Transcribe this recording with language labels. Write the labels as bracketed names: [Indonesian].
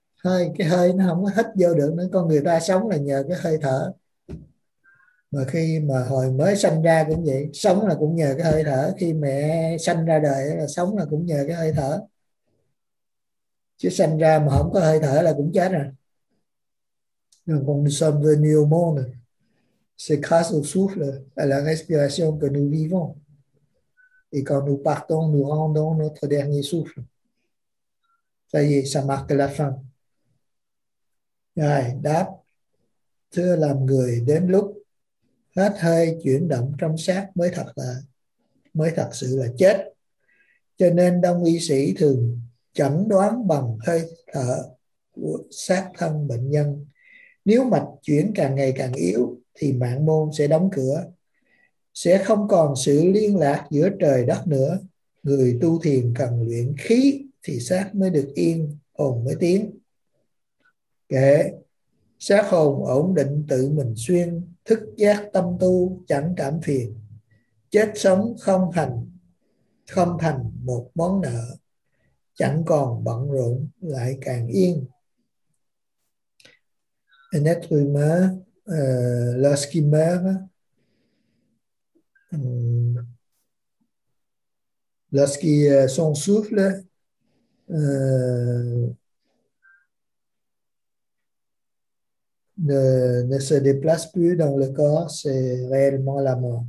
[Vietnamese] Hơi, cái hơi nó không có hít vô được nữa. Con người ta sống là nhờ cái hơi thở. Mà khi mà hồi mới sanh ra cũng vậy. Sống là cũng nhờ cái hơi thở. Khi mẹ sanh ra đời là sống là cũng nhờ cái hơi thở. Chứ sanh ra mà không có hơi thở là cũng chết rồi. Còn sống là nhiều môn. [French] C'est grâce au souffle à la respiration que nous vivons. Et quand nous partons, nous rendons notre dernier souffle. Ça y est, ça marque la fin. [Vietnamese] Ngài đáp, thưa làm người đến lúc hết hơi chuyển động trong xác mới thật sự là chết. Cho nên đông y sĩ thường chẩn đoán bằng hơi thở của xác thân bệnh nhân. Nếu mạch chuyển càng ngày càng yếu thì mạng môn sẽ đóng cửa. Sẽ không còn sự liên lạc giữa trời đất nữa. Người tu thiền cần luyện khí thì xác mới được yên, hồn mới tiến. Kể xác hồn ổn định tự mình xuyên, thức giác tâm tu chẳng cảm phiền. Chết sống không thành một món nợ, chẳng còn bận rộn lại càng yên. [French] Un être humain, lorsqu'il meurt, lorsqu'il son souffle, ne se déplace plus dans le corps, c'est réellement la mort.